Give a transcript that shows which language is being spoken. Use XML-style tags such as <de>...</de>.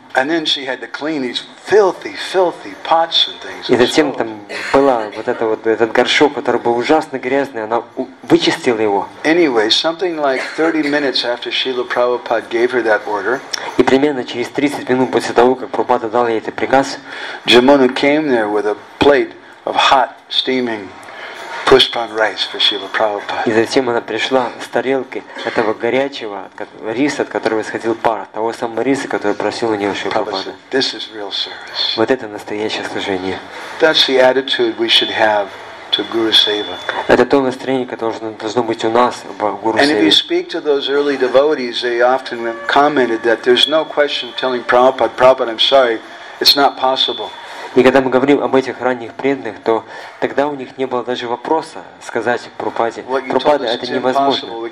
<en>And then she had to clean these filthy, filthy pots and things.</en> <ru>И затем там была этот горшок, который был ужасно грязный. Она вычистила его.</ru> <en>Anyway, something like 30 minutes after Srila Prabhupada gave her that order.</en> <ru>И примерно через 30 минут после того, как Прабхупада дал ей этот приказ,</ru> <en>Jamuna came there with a plate of hot, steaming. Pushpan rice for Srila Prabhupada.</en> <ru>И затем она пришла с тарелки этого горячего риса, от которого исходил пар, того самого риса, который просил у нее Шрила Прабхупада.</ru> <en>This is real service.</en> <ru>Вот это настоящее служение.</ru> <en>That's the attitude we should have to Guru Seva.</en> <ru>Это то настроение, которое должно быть у нас в Гуру</ru> <en>Севе. And if you speak to those early devotees, they often commented that there's no question telling Prabhupada, Prabhupada, I'm sorry, it's not possible.</en> <ru>И когда мы говорим об этих ранних преданных, то тогда у них не было даже вопроса сказать Прабхупаде, Прабхупада, это невозможно.</ru>